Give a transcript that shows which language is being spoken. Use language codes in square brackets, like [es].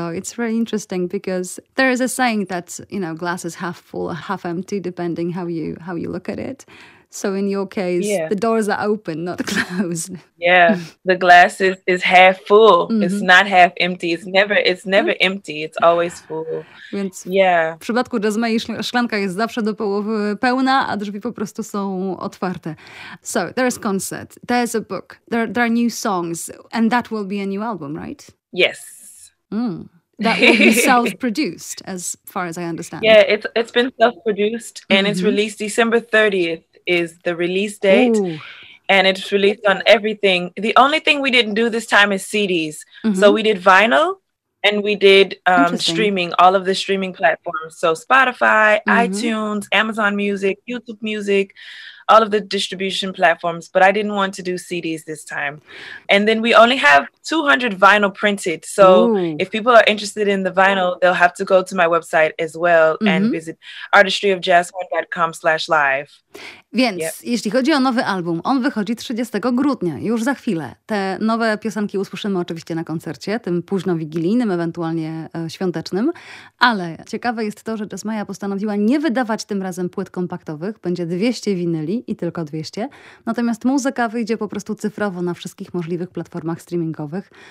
[en] It's really interesting because there is a saying that, you know, glass is half full or half empty, depending how you look at it. So in your case, the doors are open, not closed. Yeah, the glass is half full. Mm-hmm. It's not half empty. It's never empty. It's always full. [pl] Więc w przypadku Jasmine szklanka jest zawsze do połowy pełna, a drzwi po prostu są otwarte. [en] So there's concert, there's a book, there are new songs, and that will be a new album, right? Yes. Mm. That will be self-produced, as far as I understand. Yeah, it's been self-produced, and it's released December 30th. Is the release date. Ooh. And it's released on everything. The only thing we didn't do this time is CDs. Mm-hmm. So we did vinyl and we did streaming, all of the streaming platforms. So Spotify, iTunes, Amazon Music, YouTube Music, all of the distribution platforms, but I didn't want to do CDs this time. And then we only have 200 vinyl printed. So if people are interested in the vinyl, they'll have to go to my website as well and visit artistryofjazzhorn.com/live. [pl] Więc jeśli chodzi o nowy album, on wychodzi 30 grudnia, już za chwilę. Te nowe piosenki usłyszymy oczywiście na koncercie, tym późno-wigilijnym, ewentualnie świątecznym. Ale ciekawe jest to, że Jasmine postanowiła nie wydawać tym razem płyt kompaktowych. Będzie 200 winyli i tylko 200. Natomiast muzyka wyjdzie po prostu cyfrowo na wszystkich możliwych platformach streamingowych.